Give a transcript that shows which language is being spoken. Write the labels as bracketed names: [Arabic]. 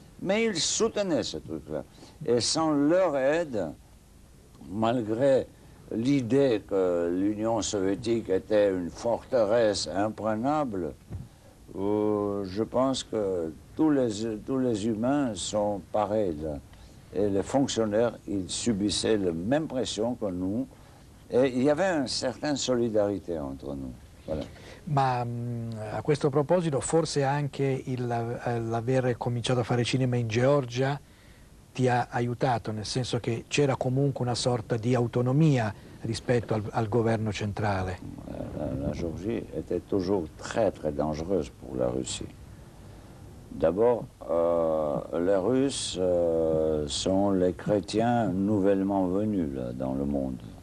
[French] Mais ils soutenaient ce truc-là. Et sans leur aide, malgré l'idée que l'Union soviétique était une forteresse imprenable, je pense que tous les humains sont pareils. Et les fonctionnaires, ils subissaient la même pression que nous. Et il y avait une certaine solidarité entre nous. Voilà. [Italian] Ma a questo proposito, forse anche l'aver cominciato a fare cinema in Georgia ti ha aiutato, nel senso che c'era comunque una sorta di autonomia rispetto al governo centrale. [French] La Georgia était toujours très très dangereuse pour la Russie. D'abord, les Russes sont les chrétiens nouvellement venus là, dans le monde.